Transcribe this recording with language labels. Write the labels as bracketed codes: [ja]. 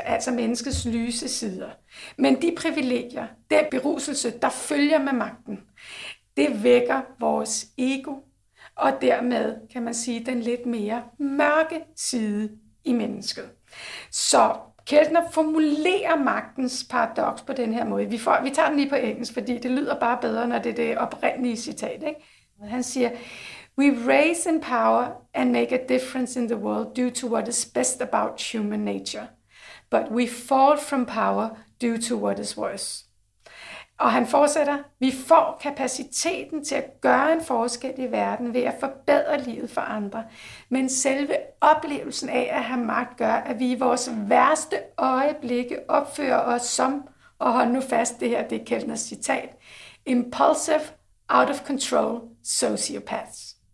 [da] Altså menneskets lyse sider. Men de privilegier, den beruselse, der følger med magten, det vækker vores ego. Og dermed kan man sige den lidt mere mørke side i mennesket. Så Keltner formulerer magtens paradoks på den her måde. Vi tager den lige på engelsk, fordi det lyder bare bedre, når det er det oprindelige citat. Ikke? Han siger, [en] "We raise in power and make a difference in the world due to what is best about human nature. But we fall from power due to what is worse." [da] Og han fortsætter, vi får kapaciteten til at gøre en forskel i verden ved at forbedre livet for andre. Men selve oplevelsen af at have magt gør, at vi i vores værste øjeblikke opfører os som, og hold nu fast, det her det er Keltners citat, [en] impulsive, out of control, sociopaths.